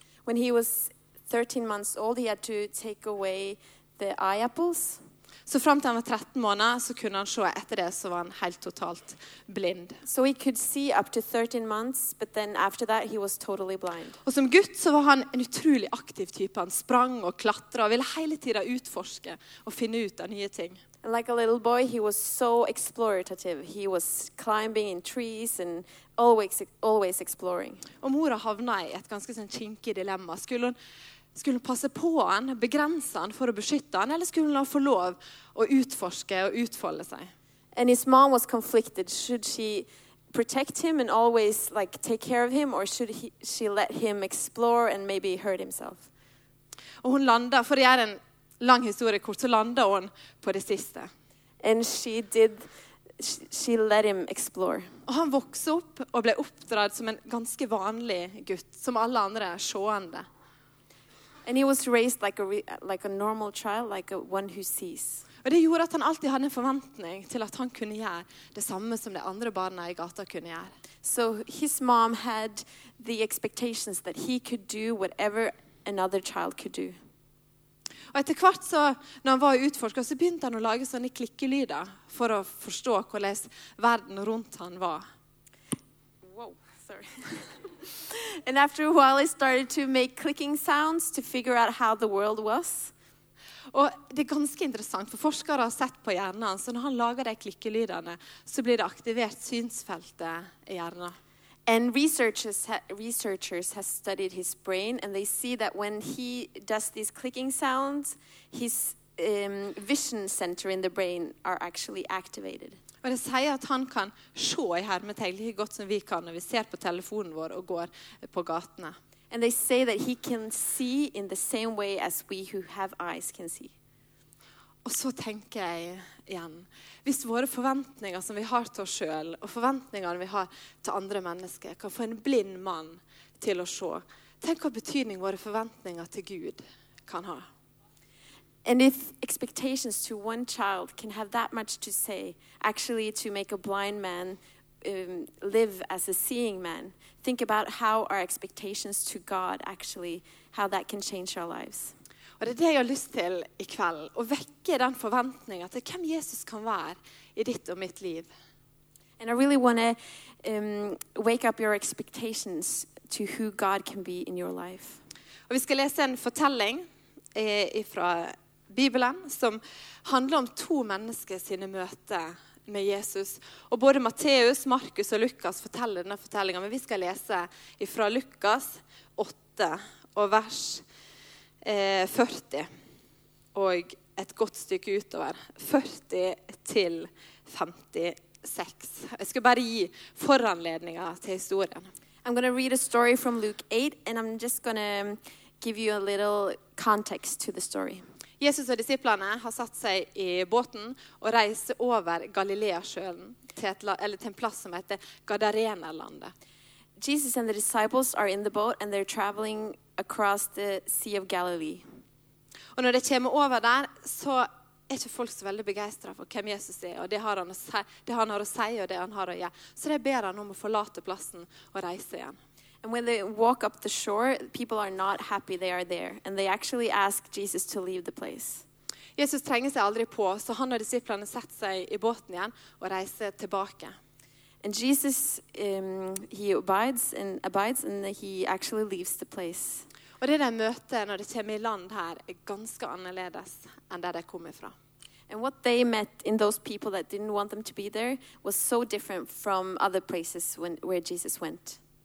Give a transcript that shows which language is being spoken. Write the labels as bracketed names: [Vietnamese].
[English] When he was 13 months old, he had to take away the eye apples. [Norwegian] Så frem til han var 13 måneder, så kunne han se etter det, så var han helt totalt blind. [English] So he could see up to 13 months, but then after that he was totally blind. [Norwegian] Og som gutt så var han en utrolig aktiv type. Han sprang og klatret og ville hele tiden utforske og finne ut av nye ting. [English] And like a little boy, he was so explorative. He was climbing in trees and always exploring. [Norwegian] Og mora havna i et ganske sånn kinkig dilemma. Skulle hun passe på han, begrense han for å beskytte han, eller skulle hun få lov å utforske og utfolde seg? [English] And his mom was conflicted. Should she protect him and always like take care of him, or should she let him explore and maybe hurt himself? [Norwegian] Og hun landet, for det en lang historie kort, så landet hun på det siste. [English] And she did, she let him explore. [Norwegian] Og han vokste opp og ble oppdraget som en ganske vanlig gutt, som alle andre sjående. [English] And he was raised like a, like a normal child, like a, one who sees. [Norwegian] Og det gjorde at han alltid hadde en forventning til at han kunne gjøre det samme som de andre barna I gata kunne gjøre. [English] So his mom had the expectations that he could do whatever another child could do. [Norwegian] Og etter hvert så, når han var utforsket, så begynte han å lage sånne klikkelyder for å forstå hvordan verden rundt han var. [English] Wow, sorry. And after a while he started to make clicking sounds to figure out how the world was. [Norwegian] Og det ganske interessant, for forskere har sett på hjernen, så når han lager de klikkelydene, så blir det aktivert synsfeltet I hjernen. [English] And researchers have studied his brain, and they see that when he does these clicking sounds, his vision center in the brain are actually activated. [Norwegian] Og det sier at han kan se I hermetegn like godt som vi kan når vi ser på telefonen vår og går på gatene. [English] And they say that he can see in the same way as we who have eyes can see. [Norwegian] Og så tenker jeg igjen, hvis våre forventninger som vi har til oss selv, og forventningene vi har til andre mennesker, kan få en blind mann til å se, tenk hva betydning våre forventninger til Gud kan ha. [English] And if expectations to one child can have that much to say, actually to make a blind man live as a seeing man, think about how our expectations to God actually, how that can change our lives. [Norwegian] Og det jeg har lyst til I kveld, å vekke den forventningen til hvem Jesus kan være I ditt og mitt liv. [English] And I really want to wake up your expectations to who God can be in your life. [Norwegian] Og vi skal lese en fortelling fra Bibelen, som handler om to mennesker sine møter med Jesus. Og både Matteus, Markus og Lukas forteller denne fortellingen, men vi skal lese fra Lukas 8 og vers 40 og et godt stykke utover 40 til 56. Jeg skal bare gi foranledninger til historien. [English] I'm going to read a story from Luke 8 and I'm just going to give you a little context to the story. [Norwegian] Jesus og disiplene har satt seg I båten og reiser over Galileasjøen til en plass som heter Gadarenalandet. [English] Jesus and the disciples are in the boat and they're traveling across the Sea of Galilee. [Norwegian] Og når de kommer over der, så ikke folk så veldig begeistret for hvem Jesus og det han har å si og det han har å gjøre. Så de ber han om å forlate plassen og reise igjen. [English] And when they walk up the shore, people are not happy they are there. And they actually ask Jesus to leave the place. [Norwegian] Jesus trenger seg aldri på, så han og disiplene setter seg I båten igjen og reiser tilbake. [English] And Jesus, he abides and he actually leaves the place. [Norwegian] Og det de møter når de kommer I land her ganske annerledes enn der de kommer fra. [English] And what they met in those people that didn't want them to be there was so different from other places where Jesus went.